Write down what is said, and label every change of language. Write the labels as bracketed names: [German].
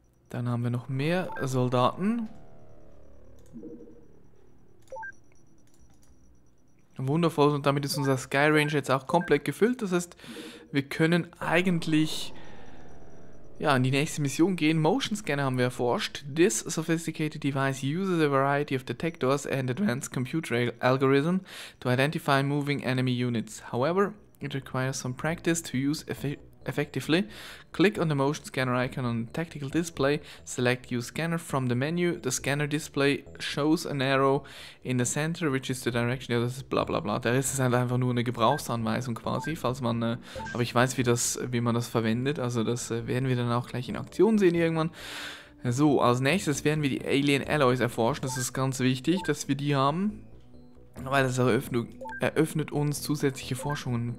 [German] Dann haben wir noch mehr Soldaten. Wundervoll, und damit ist unser Skyranger jetzt auch komplett gefüllt. Das heißt, wir können eigentlich ja in die nächste Mission gehen. Motion Scanner haben wir erforscht. [English] This sophisticated device uses a variety of detectors and advanced computer algorithm to identify moving enemy units. However, it requires some practice to use effectively. Click on the motion scanner icon on the tactical display. Select use scanner from the menu. The scanner display shows an arrow in the center, which is the direction. [German] Ja, das ist bla bla bla. Da ist es einfach nur eine Gebrauchsanweisung quasi, falls man. Aber ich weiß, wie man das verwendet. Also das werden wir dann auch gleich in Aktion sehen irgendwann. So, als nächstes werden wir die Alien Alloys erforschen. Das ist ganz wichtig, dass wir die haben. Weil das eröffnet uns zusätzliche Forschungen.